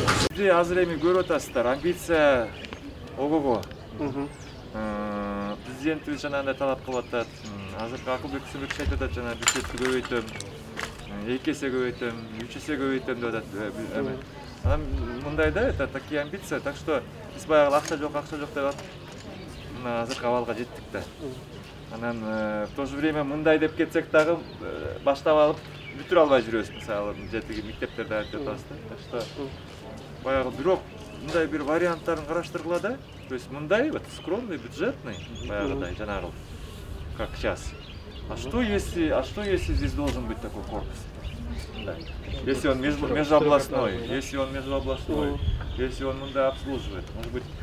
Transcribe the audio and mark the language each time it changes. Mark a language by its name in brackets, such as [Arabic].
[Kyrgyz] Сизди азыр эми көрүп атасыздар, амбиция ого-го. Президентибиз жанагындай талап кылып атат. Азыркы акылды күчөйтүп атат, жана бюджетти көбөйтөм, 2 эсе көбөйтөм, 3 эсе көбөйтөм деп атат. Анан мындай да, [Russian] это такие амбиции. [Kyrgyz] Так что биз баягы акча жок, акча жок деп мына азыркы абалга жеттик да. Анан [Russian] в то же время [Kyrgyz] мындай деп кетсек дагы баштап алып бүтүрө албай жүрөбүз, мисалы жердеги мектептерди айтып атабыз да. Так что баягы бирок мындай бир варианттарын караштыргыла да. То есть мындай [Russian] вот скромный, бюджетный, [Kyrgyz] баягыдай жанагы [Russian] как сейчас. А что если здесь должен быть такой корпус? Да. Если он межобластной, если он [Kyrgyz] мындай [Russian] обслуживает, может быть,